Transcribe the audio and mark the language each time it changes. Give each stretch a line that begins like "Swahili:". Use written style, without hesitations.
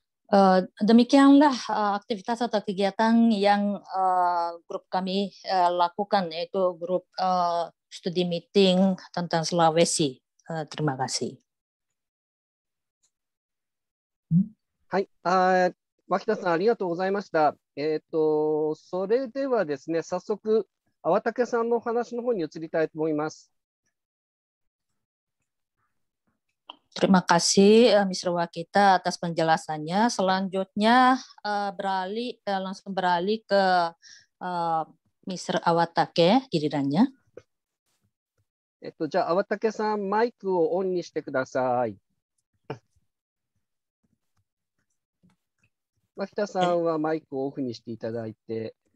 Indonesian: Demikianlah aktivitas atau kegiatan yang grup kami lakukan yaitu grup study meeting tentang Sulawesi. Terima kasih.
Japanese: はい、脇田さんありがとうございました。それではですね、早速粟竹さんのお話の方に移りたいと思います。
Indonesian: Terima kasih Mr. Wakita atas penjelasannya. Selanjutnya langsung beralih ke Mr. Awatake girirannya.
Japanese: じゃあ粟竹さん、マイクをオンにしてください。脇田さんはマイクをオフにしていただいて。